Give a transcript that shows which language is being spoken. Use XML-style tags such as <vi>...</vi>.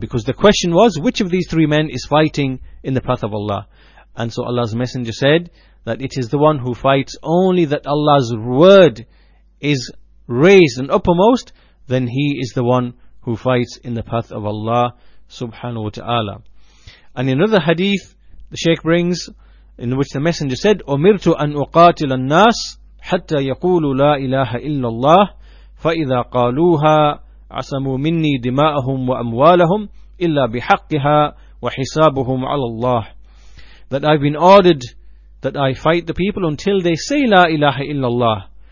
<en>Because the question was, which of these three men is fighting in the path of Allah? And so Allah's Messenger said that it is the one who fights only that Allah's word is raised and uppermost, then he is the one who fights in the path of Allah subhanahu wa ta'ala. And in another hadith the Shaykh brings, in which the Messenger said,</en> <ar>أُمِرْتُ أَنْ أُقَاتِلَ النَّاسِ حَتَّى يَقُولُ لَا إِلَهَ إِلَّا اللَّهِ فَإِذَا قَالُوهَا عَصَمُوا مِنِّي دِمَاءَهُمْ وَأَمْوَالَهُمْ إِلَّا بِحَقِّهَا وَحِسَابُهُمْ عَلَى اللَّهِ.</ar> <en>That I've been ordered that I fight the people until they say</en> <ar>لا إله إلا الله.</ar>